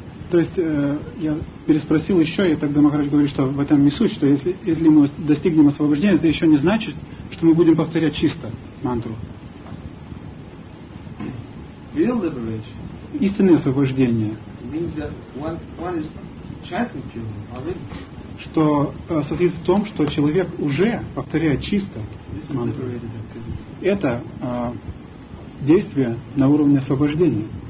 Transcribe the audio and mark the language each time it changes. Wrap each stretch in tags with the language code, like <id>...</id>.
<ru>То есть я переспросил еще, и тогда Махарадж говорит, что в этом не суть, что если мы достигнем освобождения, это еще не значит, что мы будем повторять чисто мантру.</ru> <en>Real liberation.</en> <ru>Истинное освобождение.</ru> <en>Means that one is chanting pure already.</en> <ru>Что состоит в том, что человек уже повторяет чисто мантру. Это действие на уровне освобождения.</ru>